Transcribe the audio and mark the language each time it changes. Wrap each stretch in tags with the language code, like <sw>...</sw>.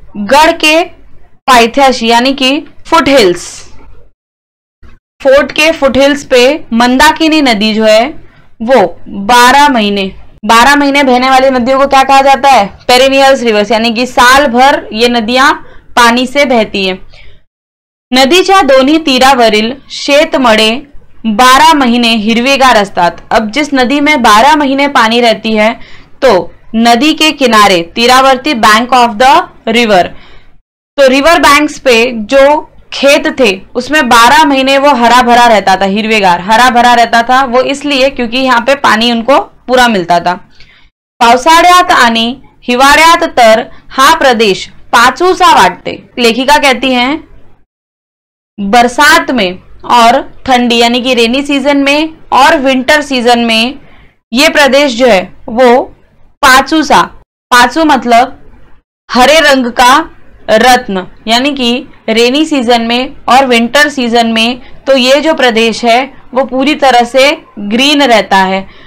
<hi>गढ़ के पायथ्याशी यानी कि फुटहिल्स, फोर्ट के फुटहिल्स पे मंदाकिनी नदी जो है वो 12 महीने बहने वाली नदियों को क्या कहा जाता है? पेरिनियल्स रिवर्स, यानी कि साल भर ये नदियां पानी से बहती है।</hi> <mr>नदीच्या दोन्ही तीरावरील शेतमड़े 12 महीने हिरवेगार असतात।</mr> <hi>अब जिस नदी में 12 महीने पानी रहती है तो नदी के किनारे तीरावर्ती बैंक ऑफ द रिवर, तो रिवर बैंक्स पे जो खेत थे उसमें 12 महीने वो हरा भरा रहता था, हिरवेगार हरा भरा रहता था वो, इसलिए क्योंकि यहाँ पे पानी उनको पूरा मिलता था।</hi> <mr>पावसाळ्यात आणि हिवाळ्यात तर हा प्रदेश पाचूसा वाटते।</mr> <hi>लेखिका कहती है बरसात में और ठंडी यानी कि रेनी सीजन में और विंटर सीजन में ये प्रदेश जो है वो पाचूसा, पाचू मतलब हरे रंग का रत्न, यानी कि रेनी सीजन में और विंटर सीजन में तो ये जो प्रदेश है वो पूरी तरह से ग्रीन रहता है।</hi>